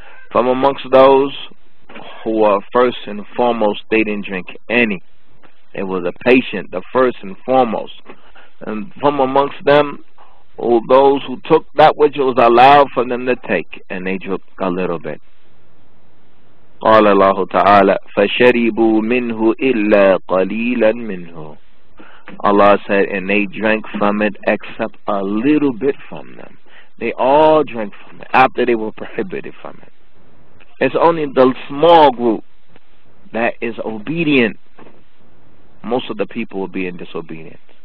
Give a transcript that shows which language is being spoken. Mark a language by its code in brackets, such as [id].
[en] From amongst those who were first and foremost, they didn't drink any. It was a patient, the first and foremost. And from amongst them, all those who took that which was allowed for them to take, and they drank a little bit. [ar] قال الله تعالى فشربوا منه إلا قليلا منه. [en] Allah said, and they drank from it except a little bit from them. They all drank from it after they were prohibited from it. It's only the small group that is obedient. Most of the people were being disobedient.